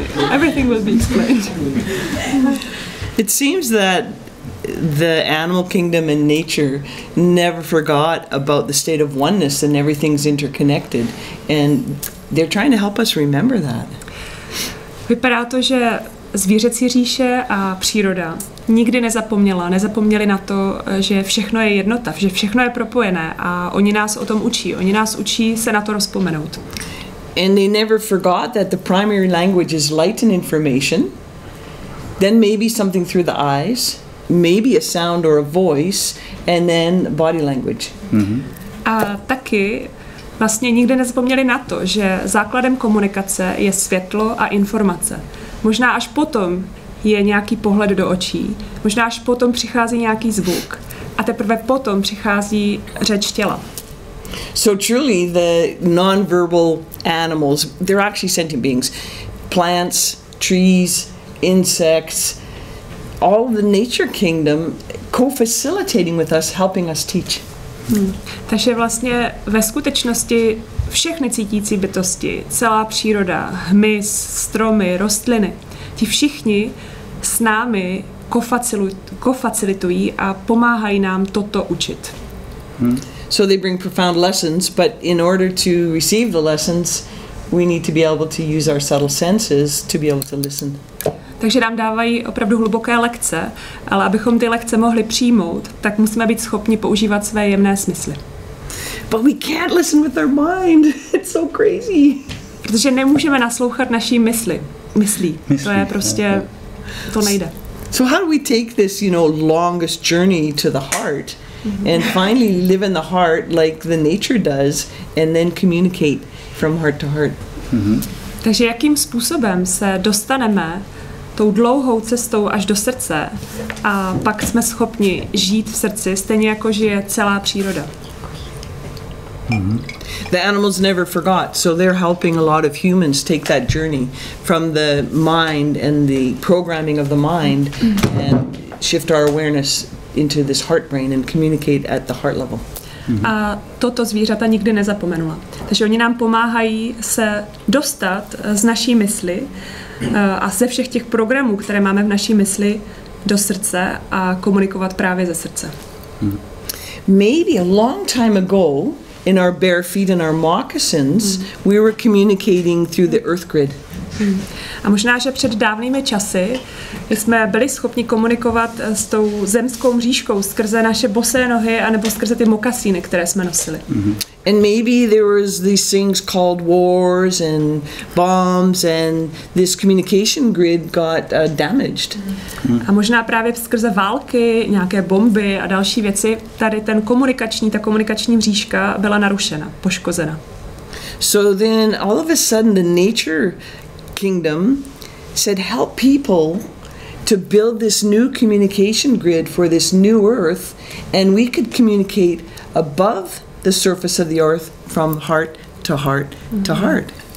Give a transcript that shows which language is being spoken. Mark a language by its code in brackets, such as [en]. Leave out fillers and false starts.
[en] Everything will be explained. It seems that the animal kingdom and nature never forgot about the state of oneness and everything's interconnected. And they're trying to help us remember that. [cs] Vypadá to, že zvířecí říše a příroda nikdy nezapomněli na to, že všechno je jednota, že všechno je propojené a oni nás o tom učí. Oni nás učí se na to rozpomenout. [en] And they never forgot that the primary language is light and information. Then maybe something through the eyes, maybe a sound or a voice, and then body language. Mm-hmm. [cs] A taky vlastně nikdy nezapomněli na to, že základem komunikace je světlo a informace. Možná až potom je nějaký pohled do očí, možná až potom přichází nějaký zvuk a teprve potom přichází řeč těla. [en] So truly the non-verbal animals, they're actually sentient beings. Plants, trees, insects, all the nature kingdom co-facilitating with us, helping us teach. [cs] Takže vlastně ve skutečnosti všechny cítící bytosti, celá příroda, hmyz, stromy, rostliny, ti všichni s námi co-facilitují a pomáhají nám toto učit. [en] So they bring profound lessons, but in order to receive the lessons, we need to be able to use our subtle senses to be able to listen. [cs] Takže nám dávají opravdu hluboké lekce, ale abychom ty lekce mohli přijmout, tak musíme být schopni používat své jemné smysly. [en] But we can't listen with our mind. It's so crazy. [cs] Protože nemůžeme naslouchat naší myslí. To je prostě, to nejde. [en] So how do we take this, you know, longest journey to the heart and finally live in the heart like the nature does and then communicate from heart to heart? [cs] Takže jakým způsobem se dostaneme tou dlouhou cestou až do srdce a pak jsme schopni žít v srdci, stejně jako žije celá příroda. Mm-hmm. [en] The animals never forgot, so they're helping a lot of humans take that journey from the mind and the programming of the mind and shift our awareness into this heart brain and communicate at the heart level. [cs] A toto zvířata nikdy nezapomenula. Takže oni nám pomáhají se dostat z naší mysli a ze všech těch programů, které máme v naší mysli, do srdce a komunikovat právě ze srdce. [en] Maybe a long time ago, in our bare feet and our moccasins, we were communicating through the earth grid. [cs] A možná, že před dávnými časy jsme byli schopni komunikovat s tou zemskou mřížkou skrze naše bosé nohy anebo skrze ty mokasíny, které jsme nosili. [en] And maybe there was these things called wars and bombs and this communication grid got damaged. [cs] A možná právě skrze války, nějaké bomby a další věci, tady ten komunikační, ta komunikační mřížka byla narušena, poškozena. [en] So then all of a sudden the nature kingdom said help people to build this new communication grid for this new earth and we could communicate above the surface of the earth from heart to heart to heart.